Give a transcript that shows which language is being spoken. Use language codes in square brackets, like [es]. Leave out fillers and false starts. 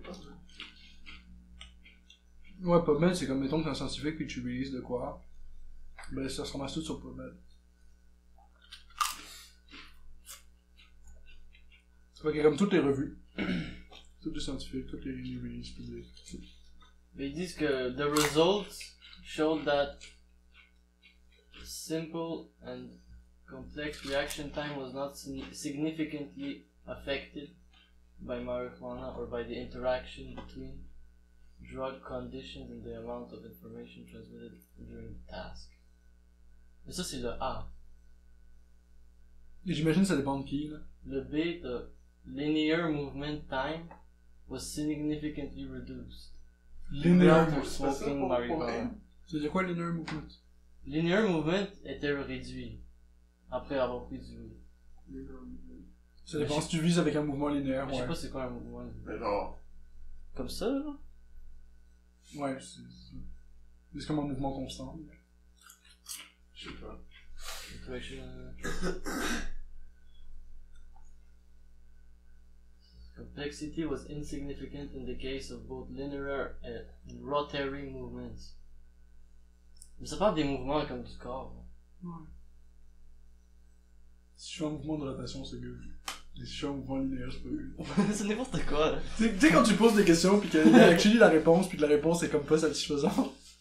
[fr] PubMed. Ouais, PubMed, c'est comme mettons que t'es un scientifique et tu utilises de quoi. Ben, ça se ramasse tout sur PubMed. C'est pas qu'il y a comme toutes les revues. Toutes les scientifiques, toutes les revues publiques. Ils disent que [en] the results showed that simple and complex reaction time was not significantly affected by marijuana or by the interaction between drug conditions and the amount of information transmitted during the task. [fr] Mais ça, c'est le A. Et j'imagine que ça dépend de qui, là. Le B, [en] the linear movement time was significantly reduced. Linear movement marijuana. [fr] C'est-à-dire quoi, [en] linear movement? Linear movement [fr] était réduit après avoir pris du. Ça dépend mais si tu vises avec un mouvement linéaire. Je sais pas c'est quoi un mouvement linéaire. Mais non. Comme ça, là? Ouais, c'est. C'est comme un mouvement constant. Je sais pas. [en] Complexity was insignificant in the case of both linear and rotary movements. [fr] Mais ça parle des mouvements comme du corps. Ouais. Si je fais un mouvement de rotation, c'est good. Et si je fais un mouvement linéaire, c'est pas good. C'est n'importe quoi. Tu sais, quand tu poses des questions, puis qu'il y a actually la réponse, puis que la réponse est comme pas satisfaisante.